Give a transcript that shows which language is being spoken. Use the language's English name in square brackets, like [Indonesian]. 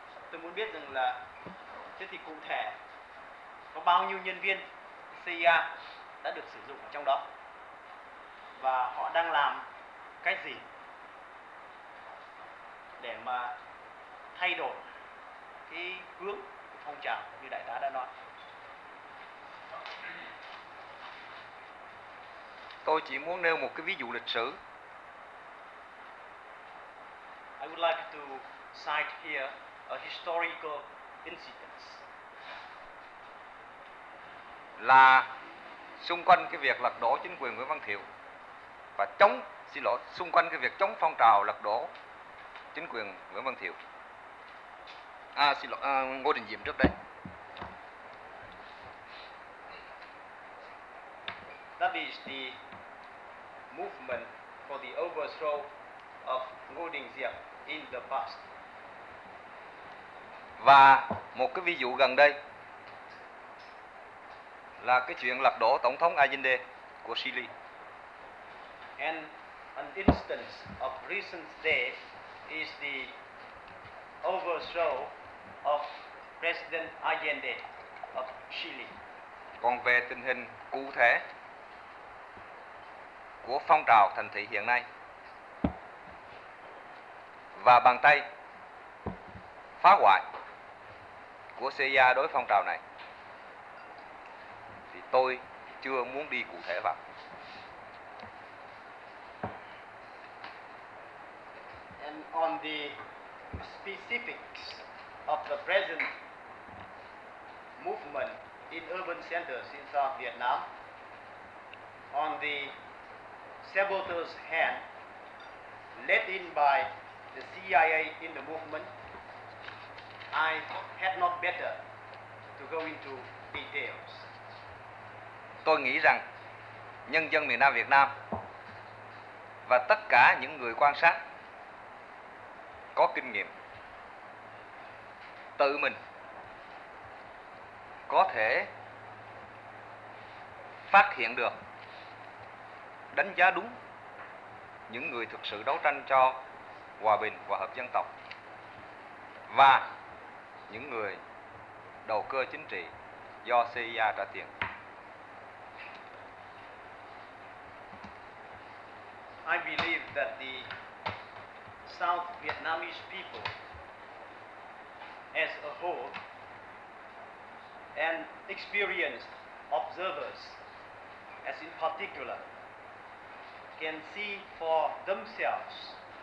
[Vietnamese] Tôi muốn biết rằng là thế thì cụ thể có bao nhiêu nhân viên CIA đã được sử dụng ở trong đó và họ đang làm cái gì để mà thay đổi cái hướng của phong trào như đại tá đã nói. Tôi chỉ muốn nêu một cái ví dụ lịch sử. [English] I would like to cite here a historical incident. [Vietnamese] Là xung quanh cái việc lật đổ chính quyền Nguyễn Văn Thiệu và xung quanh cái việc chống phong trào lật đổ chính quyền Nguyễn Văn Thiệu. Ngô Đình Diệm trước đây. [English] That is the movement for the overthrow of Ngô Đình Diệm in the past. [Vietnamese] Và một cái ví dụ gần đây là cái chuyện lật đổ Tổng thống Allende của Chile. [English] And an instance of recent day is the overthrow of President Allende of Chile. [Vietnamese] Còn về tình hình cụ thể của phong trào thành thị hiện nay và bàn tay phá hoại của CIA đối với phong trào này thì tôi chưa muốn đi cụ thể vào. [English] And on the specifics of the present movement in urban centers in South Vietnam, on the saboteurs' hand led in by the CIA in the movement, I had not better to go into details. [Vietnamese] Tôi nghĩ rằng nhân dân miền Nam Việt Nam và tất cả những người quan sát có kinh nghiệm tự mình có thể phát hiện được, đánh giá đúng những người thực sự đấu tranh cho hòa bình và hợp dân tộc và những người đầu cơ chính trị do CIA trả tiền. [English] I believe that the South Vietnamese people as a whole and experienced observers as in particular can see for themselves,